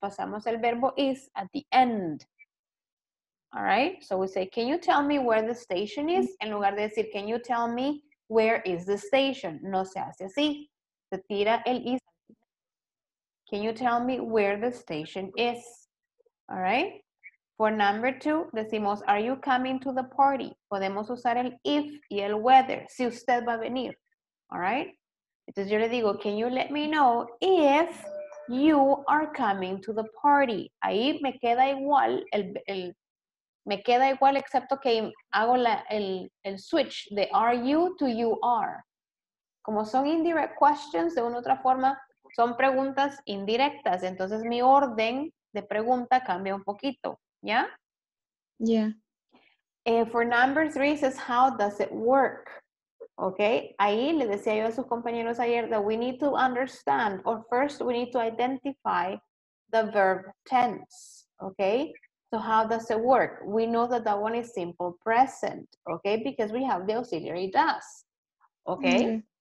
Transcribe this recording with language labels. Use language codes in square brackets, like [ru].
[es] Pasamos el verbo [en] is at the end. All right, so we say, can you tell me where the station is? [es] En lugar de decir, [en] can you tell me where is the station? [es] No se hace así. Se tira el [en] is. Can you tell me where the station is? All right. For number two, [es] decimos, [en] are you coming to the party? [es] Podemos usar el if y el whether, si usted va a venir. [en] All right. [es] Entonces yo le digo, [en] can you let me know if you are coming to the party? [es] Ahí me queda igual, excepto que hago el switch de [en] are you to you are. [es] Como son [en] indirect questions, [es] de una u otra forma, son preguntas indirectas, entonces mi orden de pregunta cambia un poquito, ¿ya? [en] Yeah. For number three, it says, how does it work? Okay, [es] ahí le decía yo a sus compañeros ayer [en] that we need to understand, or first we need to identify the verb tense, okay? So how does it work? We know that that one is simple present, okay? Because we have the auxiliary does, okay? Mm-hmm.